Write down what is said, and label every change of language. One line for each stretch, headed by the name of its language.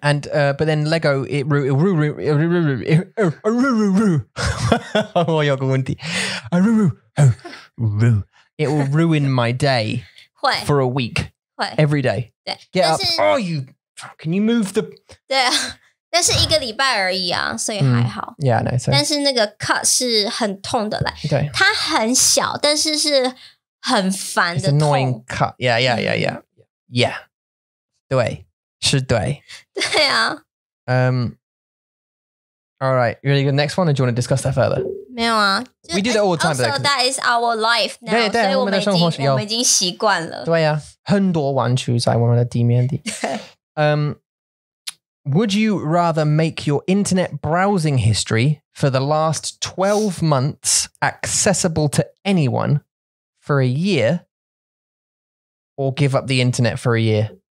English: And, but then Lego, it will ruin my day for a week. Every day. Get up. Oh, you, can you move the...
Chinese: 对啊。但是一个礼拜而已啊，所以还好。
English: Mm. Yeah, no, so.
Chinese: 但是那个 cut 是很痛的嘞。对，它很小，但是是很烦的痛。
English: It's annoying cut. Yeah, yeah, yeah, yeah, yeah.
Chinese: 对，是对。对啊。
English: All right, really good. Next one, or do you want to discuss that further?
Chinese: 没有啊。
English: We do that all the time. Also, that is our life now.
Chinese: 对对，我们的生活是要，我们已经习惯了。对啊，很多玩具在我们的地面的。
English: Would you rather make your internet browsing history for the last 12 months accessible to anyone for a year or give up the internet for a year?